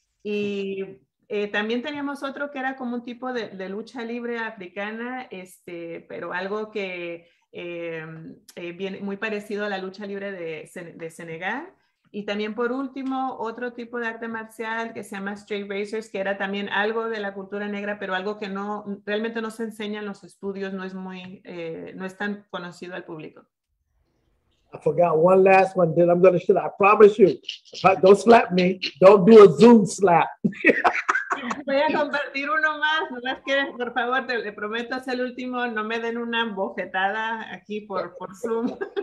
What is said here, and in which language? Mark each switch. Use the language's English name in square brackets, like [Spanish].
[Spanish] Y también teníamos otro que era como un tipo de lucha libre africana, pero algo que viene muy parecido a la lucha libre de Senegal. Y también por último, otro tipo de arte marcial que se llama straight razors, que era también algo de la cultura negra, pero algo que no, realmente no se enseña en los estudios, no es muy, no es tan conocido al público. [English] I forgot one last one, then I'm gonna shut up. I promise you, don't slap me, don't do a Zoom slap. [Spanish] Voy a compartir uno más, no más que, por favor, te prometo hacer el último, no me den una bofetada aquí por Zoom.